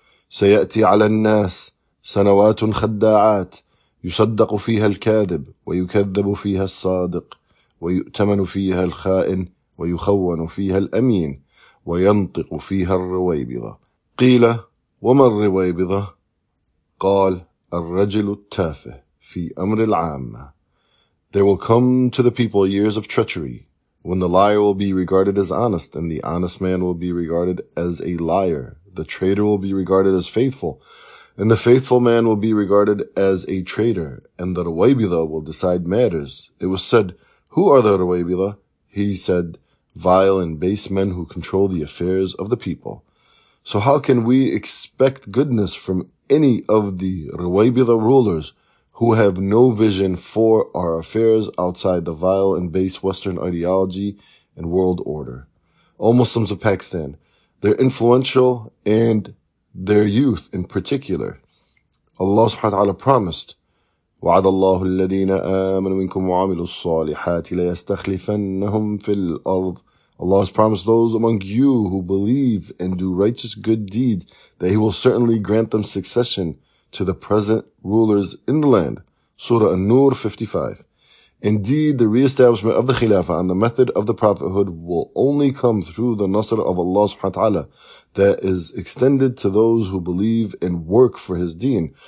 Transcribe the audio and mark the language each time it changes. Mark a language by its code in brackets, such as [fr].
[ar] سَيَأْتِي عَلَى النَّاسِ سَنَوَاتٌ خَدَّاعَاتٌ يصدق فيها الكاذب ويكذب فيها الصادق ويؤتمن فيها الخائن ويخون فيها الأمين وينطق فيها الرويبضة قيل وما الرويبضة قال الرجل التافه في أمر العامة. [en] There will come to the people years of treachery, when the liar will be regarded as honest, and the honest man will be regarded as a liar. The traitor will be regarded as faithful, and the faithful man will be regarded as a traitor, and the Ruwaybila will decide matters. It was said, who are the Ruwaybila? He said, vile and base men who control the affairs of the people. So how can we expect goodness from any of the Ruwaybila rulers who have no vision for our affairs outside the vile and base Western ideology and world order? O Muslims of Pakistan, they're influential and their youth in particular. [ar] Allah subhanahu wa ta'ala promised, وَعَدَ اللَّهُ الَّذِينَ آمَنُوا مِنْكُمْ وَعَمِلُوا الصَّالِحَاتِ لَيَسْتَخْلِفَنَّهُمْ فِي الْأَرْضِ. [en] Allah has promised those among you who believe and do righteous good deeds that He will certainly grant them succession to the present rulers in the land. Surah An-Nur 55. Indeed, the reestablishment of the Khilafah on the method of the prophethood will only come through the Nasr of Allah subhanahu wa ta'ala that is extended to those who believe and work for His deen.